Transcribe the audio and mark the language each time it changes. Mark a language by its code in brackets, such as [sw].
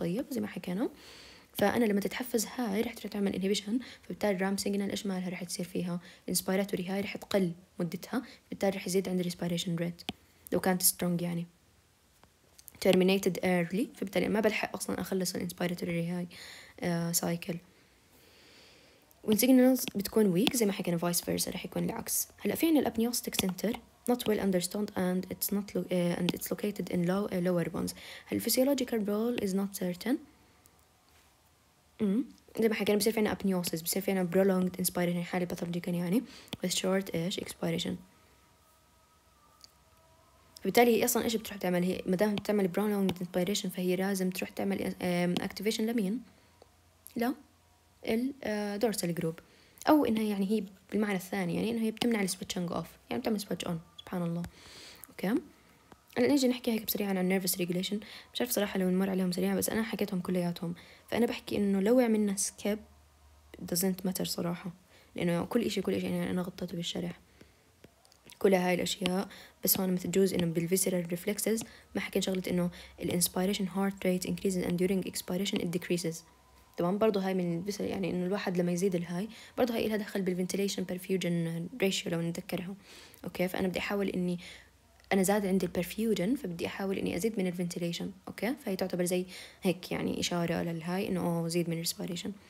[ar] طيب زي ما حكينا، فأنا لما تتحفز هاي رح تعمل inhibition، فبالتالي رام سيجنال إيش مالها رح تصير فيها inspiratory، هاي رح تقل مدتها بالتالي رح يزيد عند respiration rate لو كانت strong يعني terminated early، فبالتالي ما بلحق أصلا أخلص inspiratory هاي cycle. والسيجنالز بتكون weak زي ما حكينا vice versa رح يكون العكس. هلأ في عنا الأبنيوستيك سنتر [en] not well understood and it's not and it's located in low lower bones. The physiological role is not certain. [ar] زي ما حكينا بصير فينا apneosis, بصير فينا prolonged inspiration, حالة pathological يعني [en] with short ish expiration. [ar] بالتالي هي أصلا إيش بتروح تعمل؟ هي مدام بتعمل prolonged inspiration فهي لازم تروح تعمل activation لمين؟ لا ال dorsal group, أو إنها يعني هي بالمعنى الثاني يعني إنها هي بتمنع ال switching off, يعني بتعمل switch on. سبحان الله. أوكي, نيجي نحكي هيك بسريعا عن nervous regulation. مش عارف صراحة لو نمر عليهم سريعا, بس أنا حكيتهم كلياتهم. فأنا بحكي إنه لو عملنا skip [en] doesn't matter [ar] صراحة, لأنه كل إشي كل إشي يعني أنا غطيته بالشرح كل هاي الأشياء. بس هون مثل جوز إنه بالvisceral reflexes ما حكينا شغلة إنه [en] the inspiration heart rate increases and during expiration it decreases. [ar] تمام, برضو هاي من الvisceral, يعني إنه الواحد لما يزيد الهاي برضو هاي لها دخل بالventilation perfusion ratio لو نتذكرها. أوكي, فأنا بدي أحاول إني أنا زاد عندي perfusion فبدي أحاول إني أزيد من الventilation. أوكي, فهي تعتبر زي هيك يعني إشارة للهاي إنه أوه زيد من respiration.